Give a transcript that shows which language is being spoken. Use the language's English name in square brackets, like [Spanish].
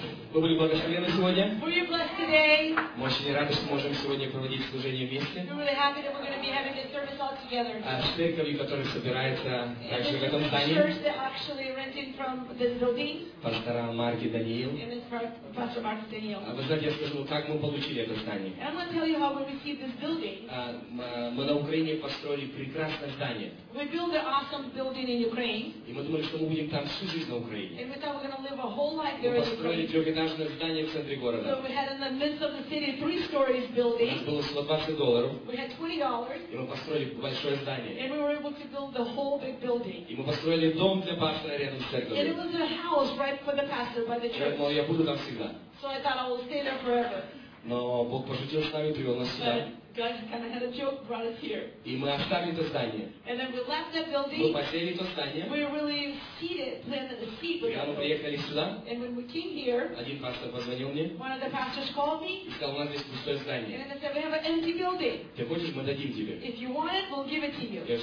[Russian] Вы были благословены сегодня? [English] Were you blessed today? [Russian] Мы очень рады, что можем сегодня проводить служение вместе. [English] We're really happy that we're going to be having this service all together. [Russian] А с церковью, которая собирается также в этом здании. [English] This is the church that actually renting from this building. [Russian] Пастора Марк и Даниил. [English] And it's Pastor Mark and Daniel. [Russian] А вы знаете, я скажу, как мы получили это здание? [English] And I'm going to tell you how we received this building. [Russian] Мы на Украине построили прекрасное здание. [English] We built an awesome building in Ukraine. [Russian] И мы думали, что мы будем там всю жизнь на Украине. [English] And we thought we're going to live a whole life there in Ukraine. [Russian] Мы построили трехэтажное здание в центре города. [English] So we had in the midst of the city three stories building. [Russian] У нас было $120. [English] We had $20. [Russian] И мы построили большое здание. [English] And we were able to build the whole big building. [Russian] И мы построили дом для пастора рядом с церковью. [English] And it was a house right for the pastor by the church. [Russian] Я думал, я буду там всегда. [English] So I thought I will stay there forever. [Russian] Но Бог пошутил с нами, привел нас сюда. [English] God kind of had a joke, brought us here. And then we left that building. [Russian] Мы посеяли то здание. [English] We really planted the seed. [Russian] И сюда. [English] And when we came here, [Russian] один пастор позвонил мне. [English] One of the pastors called me. [Russian] И сказал, у нас здесь пустое здание. [English] And they said, we have an empty building. [Russian] Ты хочешь, мы дадим тебе. [English] If you want it, we'll give it to you.